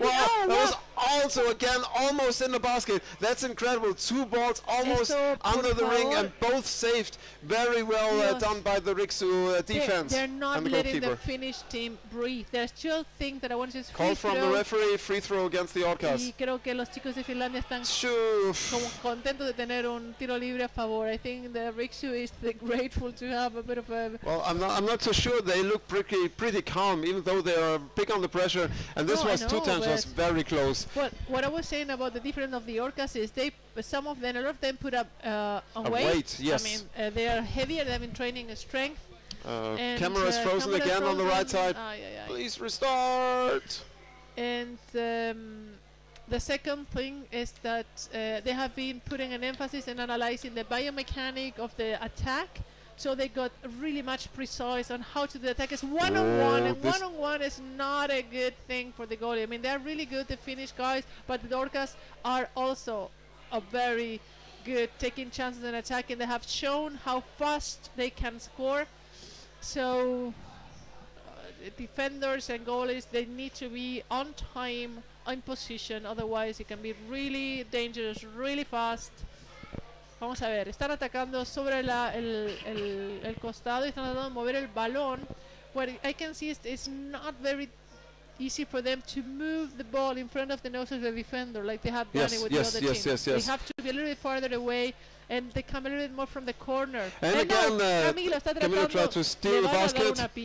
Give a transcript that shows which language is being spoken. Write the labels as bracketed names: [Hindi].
[English] well, was also again almost in the basket. That's incredible. Two balls almost under the ring, and both saved very well done by the Riksu defense. They're not letting the Finnish team breathe. There's two things that I want to just call from the referee, free throw against the Orcas. [Spanish] Y creo que los chicos de Finlandia están contentos de tener un tiro libre a favor. [English] I think the Riksu is grateful to have a bit of a... Well, I'm not so sure. They look pretty calm, even though they are big on the pressure. And this was two times was very close. But what I was saying about the difference of the Orcas is they... Some of them, a lot of them put up a weight. Yes. I mean, they are heavier. They've been training strength. Camera is frozen again on the right side. Please restart. And the second thing is that they have been putting an emphasis in analyzing the biomechanic of the attack. So they got really much precise on how to do the attack. It's one on one is not a good thing for the goalie. I mean, they're really good, the Finnish guys, but the Orcas are also a very good taking chances and attacking. They have shown how fast they can score. So defenders and goalies, they need to be on time, in position, otherwise it can be really dangerous, really fast. [Spanish] Vamos a ver, están atacando sobre el costado y están tratando de mover el balón. [English] What I can see is it's not very easy for them to move the ball in front of the nose of the defender like they have done it with the other team. They have to be a little bit farther away. And they come a little bit more from the corner. And again, Camilo tried to steal the basket.